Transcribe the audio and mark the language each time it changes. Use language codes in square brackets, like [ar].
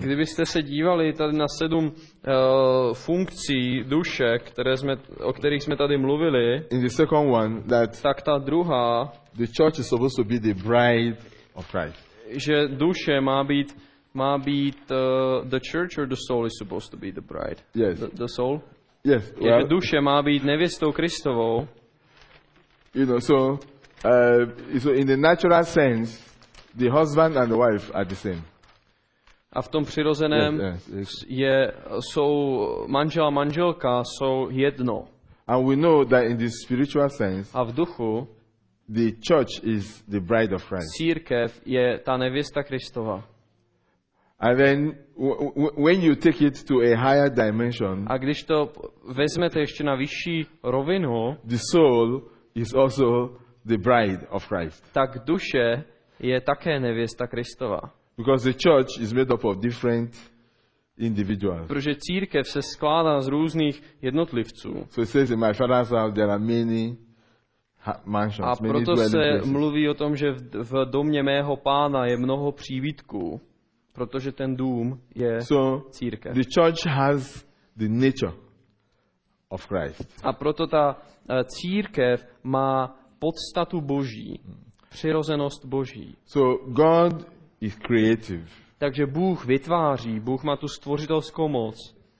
[cs] Kdybyste se dívali tady na sedm funkcí duše, o kterých jsme tady mluvili. [en] In the second one, that [cs] tak ta druhá, [en] the church is supposed to be the bride of Christ. [cs] Že duše má být [en] the church or the soul is supposed to be the bride. Yes. The soul. Yes. [cs] Well, že duše má být nevěstou Kristovou. [en] You know, so in the natural sense, the husband and the wife are the same. [cs] A v tom přirozeném jsou manžel a manželka jsou jedno. [en] And we know that in the spiritual sense, [cs] a v duchu, [en] the church is the bride of Christ. [cs] Církev je ta nevěsta Kristova. [en] And then when you take it to a higher dimension, [cs] a když to vezmete ještě na vyšší rovinu, [en] the soul is also the bride of Christ. [cs] Tak duše je také nevěsta Kristova. [en] Because the church is made up of different individuals. [cs] Protože církev se skládá z různých jednotlivců. [en] So it says in my father's house there are many mansions. [cs] A proto se mluví o tom, že v domě mého pána je mnoho příbytků, protože ten dům je církev. [en] So the church has the nature of Christ. [cs] A proto ta církev má podstatu Boží, přirozenost Boží. [en] So God is creative. [cs] Takže Bůh vytváří, Bůh má tu stvořitelskou moc.